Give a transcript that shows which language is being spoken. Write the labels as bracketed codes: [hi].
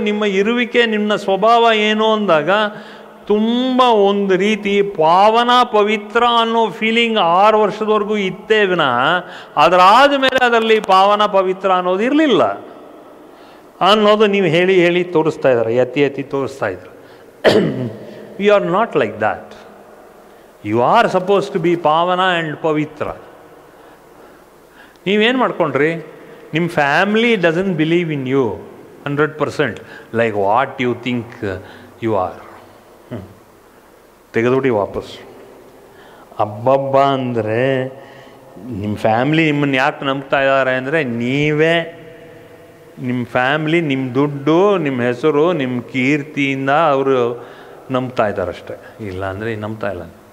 [kn] ನಿಮ್ಮ ಇರುವಿಕೆ, ನಿಮ್ಮ ಸ್ವಭಾವ ಏನು ಅಂದಾಗ ತುಂಬ ಒಂದು ರೀತಿ ಪಾವನ ಪವಿತ್ರ ಅನ್ನೋ ಫೀಲಿಂಗ್ 6 ವರ್ಷದವರೆಗೂ ಇತ್ತೇ ವಿನಃ, ಅದರಾದ ಮೇಲೆ ಅದರಲ್ಲಿ ಪಾವನ ಪವಿತ್ರ ಅನ್ನೋದು ಇರಲಿಲ್ಲ ಅನ್ನೋದು ನೀವು ಹೇಳಿ ಹೇಳಿ ತೋರಿಸ್ತಾ ಇದ್ದಾರೆ, ಎತ್ತಿ ಎತ್ತಿ ತೋರಿಸ್ತಾ ಇದ್ರು. [en] You are not like that. You are supposed to be pavana and pavitra. [kn] Neeve en madkondre, nim [en] family doesn't believe in you 100% like what you think you are. [kn] ತೆಗೆದುಬಿಡಿ ವಾಪಸ್. ಅಬ್ಬಬ್ಬ ಅಂದರೆ ನಿಮ್ಮ ಫ್ಯಾಮಿಲಿ ನಿಮ್ಮನ್ನು ಯಾಕೆ ನಂಬ್ತಾ ಇದ್ದಾರೆ ಅಂದರೆ, ನೀವೇ ನಿಮ್ಮ ಫ್ಯಾಮಿಲಿ ನಿಮ್ಮ ದುಡ್ಡು ನಿಮ್ಮ ಹೆಸರು ನಿಮ್ಮ ಕೀರ್ತಿಯಿಂದ ಅವರು ನಂಬ್ತಾ ಇದ್ದಾರಷ್ಟೆ, ಇಲ್ಲ ಅಂದರೆ ನಂಬ್ತಾ ಇಲ್ಲ.